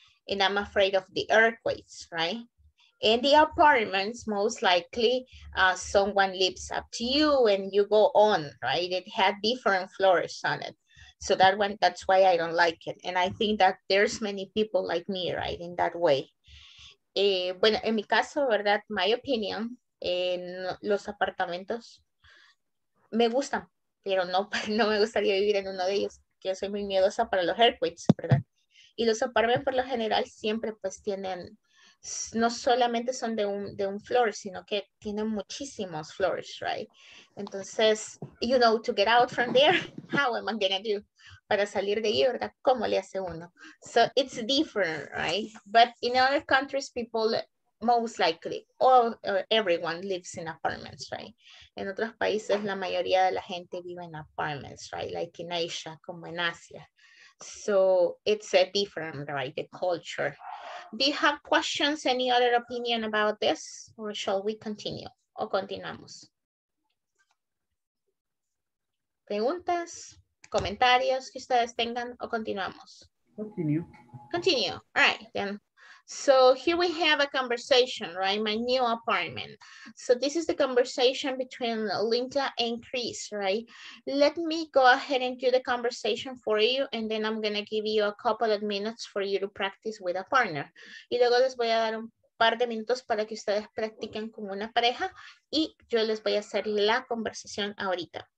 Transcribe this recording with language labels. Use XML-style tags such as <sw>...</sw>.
<en>And I'm afraid of the earthquakes, right? In the apartments, most likely someone lives up to you and you go on, right? It had different floors on it. So that one, that's why I don't like it. And I think that there's many people like me, right, in that way.</en> <es>Bueno, en mi caso, verdad,</es> <en>my opinion,</en> <es>en los apartamentos me gustan, pero no me gustaría vivir en uno de ellos, que yo soy muy miedosa para los earthquakes, ¿verdad? Y los apartamentos por lo general siempre pues tienen, no solamente son de un floor, sino que tienen muchísimos floors, right?</es> <en>Entonces, you know, to get out from there, how am I gonna do?</en> <es>Para salir de ahí, ¿verdad? ¿Cómo le hace uno?</es> <en>So it's different, right? But in other countries, people most likely, or everyone lives in apartments, right?</en> <es>En otros países, la mayoría de la gente vive</es> <en>in apartments, right? Like in Asia,</en> <es>como en Asia.</es> <en>So it's a different, right, the culture. Do you have questions, any other opinion about this? Or shall we continue?</en> <es>O continuamos. Preguntas, comentarios que ustedes tengan, o continuamos?</es> <en>Continue. All right, then. So here we have a conversation, right? My new apartment. So this is the conversation between Linda and Chris, right? Let me go ahead and do the conversation for you, and then I'm gonna give you a couple of minutes for you to practice with a partner.</en> <es>Y luego les voy a dar un par de minutos para que ustedes practiquen con una pareja, y yo les voy a hacer la conversación ahorita.</es>